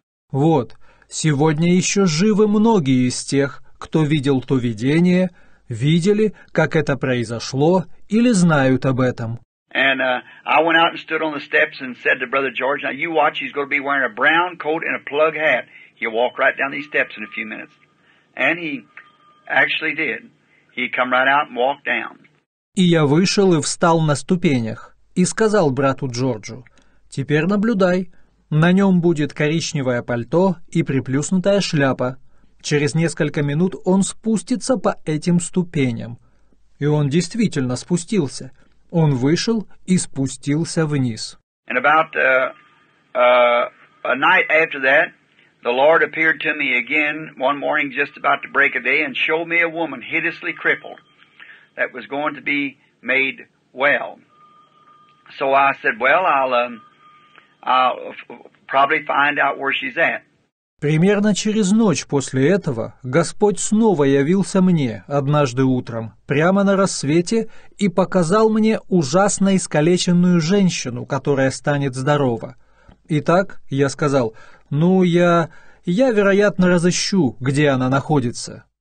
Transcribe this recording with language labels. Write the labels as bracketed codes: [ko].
[ru] Вот, сегодня еще живы многие из тех, кто видел то видение, видели, как это произошло, или знают об этом. [en] And I went out and stood on the steps and said to Brother George, now you watch, he's going to be wearing a brown coat and a plug hat. He'll walk right down these steps in a few minutes. And he actually did. He come right out and walked down. [ru] И я вышел и встал на ступенях и сказал брату Джорджу, теперь наблюдай. На нем будет коричневое пальто и приплюснутая шляпа. Через несколько минут он спустится по этим ступеням. И он действительно спустился. Он вышел и спустился вниз. [en] And about a night after that, the Lord appeared to me again one morning just about the break of day and showed me a woman hideously crippled that was going to be made well. So I said, well, I'll probably find out where she's at. [ru] Примерно через ночь после этого Господь снова явился мне однажды утром, прямо на рассвете, и показал мне ужасно искалеченную женщину, которая станет здорова. Итак, я сказал, ну, я вероятно, разыщу, где она находится.